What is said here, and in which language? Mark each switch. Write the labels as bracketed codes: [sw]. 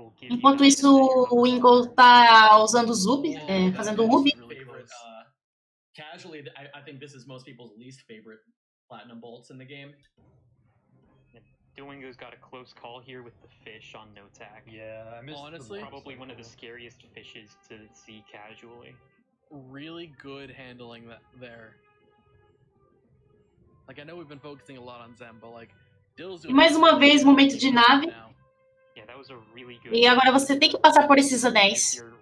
[pt] Enquanto isso, o Ingo está usando o UB, fazendo o UB. [en] Casually, I think this is most people's least favorite platinum bolts in the game. Duolingo's got a close call here with the fish on no tack. Yeah, I missed honestly, probably one of the scariest fishes to see casually. Really good handling that there. Like, I know we've been focusing a lot on Zen, but like, Dill's doing [pt] mais uma vez, momento de nave. [en] Yeah, that was a really good [pt] e agora você tem que passar por esses anéis.